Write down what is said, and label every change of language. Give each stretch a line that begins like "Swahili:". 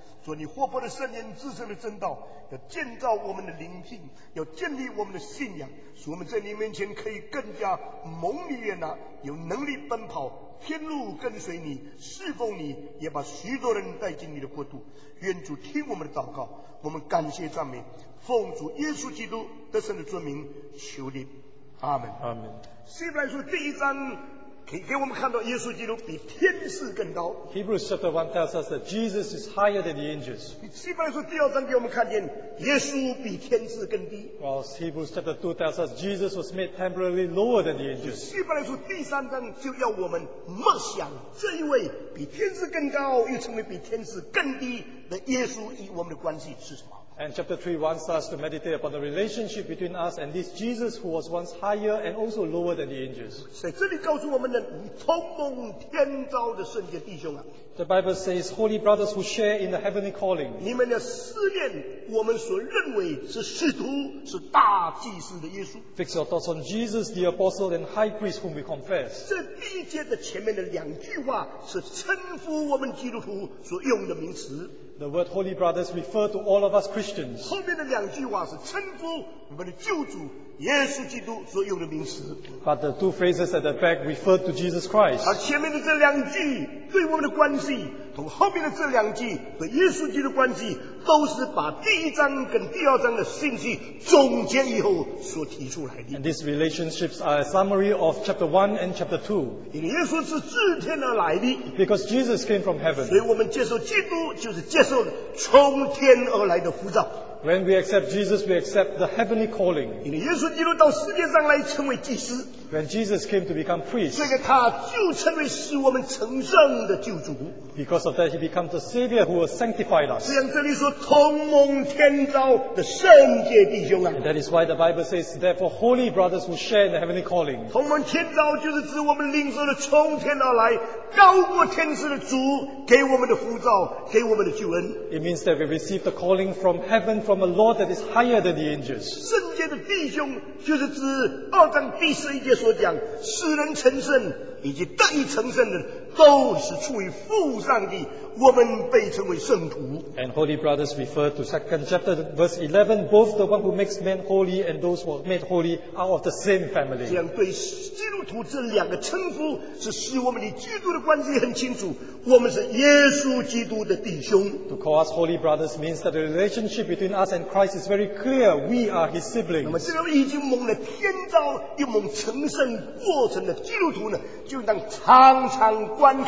Chinese: 说你活泼的圣言至圣的真道，要建造我们的灵性，要建立我们的信仰，使我们在你面前可以更加蒙你悦纳，有能力奔跑天路跟随你侍奉你，也把许多人带进你的国度。愿主听我们的祷告，我们感谢赞美，奉主耶稣基督得胜的尊名求你，阿们阿们。希伯来书第一章给我们看到耶稣基督比天使更高。
English: Hebrews chapter 1 tells us that Jesus is higher than the angels.
Chinese: 希伯来书第二章给我们看见耶稣比天使更低。
English: Whilst Hebrews chapter 2 tells us Jesus was made temporarily lower than the angels.
Chinese: 希伯来书第三章就要我们默想这一位比天使更高又成为比天使更低的耶稣与我们的关系是什么。
English: And chapter 3 wants us to meditate upon the relationship between us and this Jesus who was once higher and also lower than the angels.
Chinese: 在这里告诉我们的通蒙天召的圣洁弟兄啊。
English: The Bible says, holy brothers who share in the heavenly calling.
Chinese: 你们要思念我们所认为是使徒是大祭司的耶稣。
English: Fix your thoughts on Jesus, the apostle and high priest whom we confess.
Chinese: 这第一节的前面的两句话是称呼我们基督徒所用的名词。
English: The word holy brothers refer to all of us Christians.
Chinese: 后面的两句话是称呼我们的救主耶稣基督所用的名词。
English: But the two phrases at the back refer to Jesus Christ.
Chinese: 而前面的这两句对我们的关系，同后面的这两句和耶稣基督的关系，都是把第一章跟第二章的信息总结以后所提出来的。
English: And these relationships are a summary of chapter 1 and chapter 2.
Chinese: 因为耶稣是自天而来的。
English: Because Jesus came from heaven.
Chinese: 所以我们接受基督就是接受从天而来的呼召。
English: When we accept Jesus, we accept the heavenly calling.
Chinese: 因为耶稣基督到世界上来成为祭司。
English: When Jesus came to become priest,
Chinese: 这个他就成为使我们成圣的救主。
English: Because of that, he becomes the Savior who has sanctified us.
Chinese: 这样这里说同蒙天召的圣洁弟兄啊。
English: And that is why the Bible says, therefore, holy brothers who share in the heavenly calling.
Chinese: 同蒙天召就是指我们领受了从天而来，高过天使的主给我们的呼召，给我们的救恩。
English: It means that we receive the calling from heaven from a Lord that is higher than the angels.
Chinese: 圣洁的弟兄就是指二章第十一节。所讲使人成圣以及得以成圣的都是出于父上帝，我们被称为圣徒。
English: And holy brothers refer to 2nd chapter verse 11, both the one who makes men holy and those who are made holy are of the same family.
Chinese: 这样对基督徒这两个称呼是使我们与基督的关系很清楚，我们是耶稣基督的弟兄。
English: To call us holy brothers means that the relationship between us and Christ is very clear. We are his siblings.
Chinese: 那么这个已经蒙了天召又蒙成圣过程的基督徒呢，就当常常